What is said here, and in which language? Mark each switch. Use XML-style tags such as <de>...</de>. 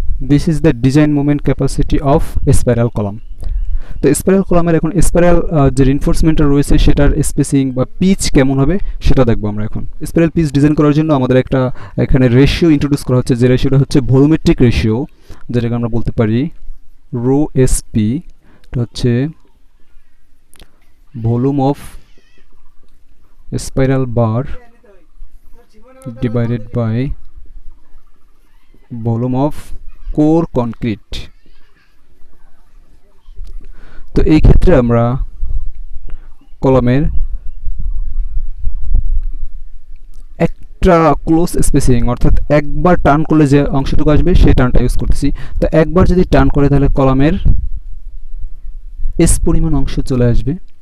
<en>This is the design moment capacity of a spiral column.</en> <bn>The spiral column এখন spiral যে reinforcement রয়েছে সেটার spacing বা pitch কেমন হবে সেটা দেখবো আমরা এখন। Spiral pitch design করার জন্য আমাদের একটা এখানে ratio introduce করা হচ্ছে, যে ratioটা হচ্ছে volumetric ratio, যেটাকে আমরা বলতে পারি rho sp, এটা হচ্ছে volume of spiral bar divided by volume of core concrete. তো এই ক্ষেত্রে আমরা কলামের একটা ক্লোজ স্পেসিং, অর্থাৎ একবার টার্ন করলে যে অংশটুকু আসবে সেই টার্নটা ইউজ করতেছি। তো একবার যদি টার্ন করে তাহলে কলামের এস পরিমাণ অংশ চলে আসবে।</bn>